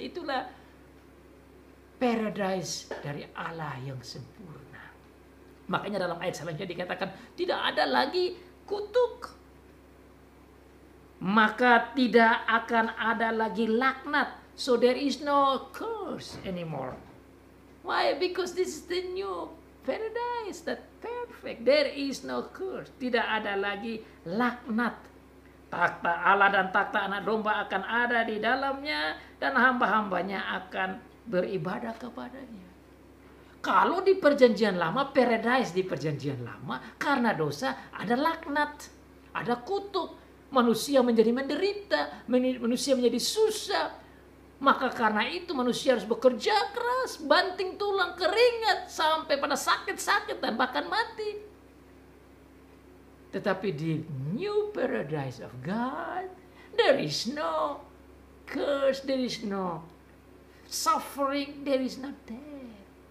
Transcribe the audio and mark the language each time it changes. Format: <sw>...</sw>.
<id>Itulah paradise dari Allah yang sempurna. Makanya dalam ayat selanjutnya dikatakan, tidak ada lagi kutuk. Maka tidak akan ada lagi laknat.</id> <en>So there is no curse anymore. Why? Because this is the new paradise, that perfect. There is no curse.</en> <id>Tidak ada lagi laknat. Takhta Allah dan takhta anak domba akan ada di dalamnya. Dan hamba-hambanya akan beribadah kepadanya. Kalau di Perjanjian Lama, paradise di Perjanjian Lama, karena dosa ada laknat, ada kutuk. Manusia menjadi menderita, manusia menjadi susah. Maka karena itu manusia harus bekerja keras, banting tulang, keringat, sampai pada sakit-sakit dan bahkan mati. Tetapi di</id> <en>new paradise of God, there is no curse, there is no suffering, there is no death.</en>